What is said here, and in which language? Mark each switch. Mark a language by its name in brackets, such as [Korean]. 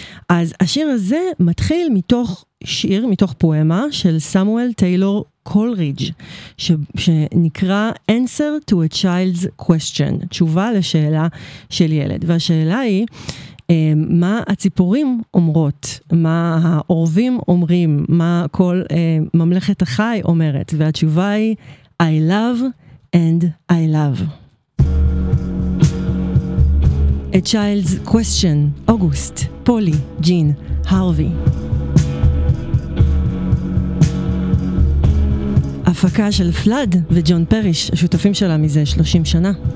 [Hebrew] אז השיר הזה מתחיל מתוך שיר, מתוך פואמה של סמואל טיילור קולריג' שנקרא [English] Answer to a Child's Question, [Hebrew] תשובה לשאלה של ילד. והשאלה היא, מה הציפורים אומרות? מה העורבים אומרים? מה כל ממלכת החי אומרת? והתשובה היא, [English] I love and I love. A Child's Question, [Hebrew] אוגוסט, פולי, ג'ין, הרווי. הפקה של פלאד וג'ון פריש, השותפים שלה מזה 30 שנה.